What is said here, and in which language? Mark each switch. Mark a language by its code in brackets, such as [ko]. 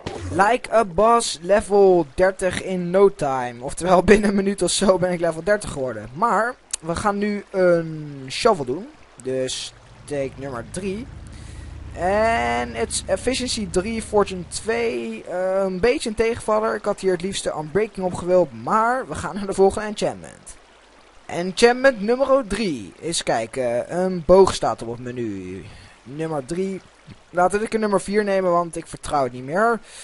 [en] Like a boss, level 30 in no time. [nl] Oftewel, binnen een minuut of zo ben ik level 30 geworden. Maar, we gaan nu een shovel doen. Dus, take nummer 3. [en] En, it's efficiency 3, fortune 2. [nl] Een beetje een tegenvaller. Ik had hier het liefste unbreaking op gewild. Maar, we gaan naar de volgende enchantment. Enchantment nummer 3. Eens kijken, een boog staat op het menu. Nummer 3. Laten we een nummer 4 nemen, want ik vertrouw het niet meer.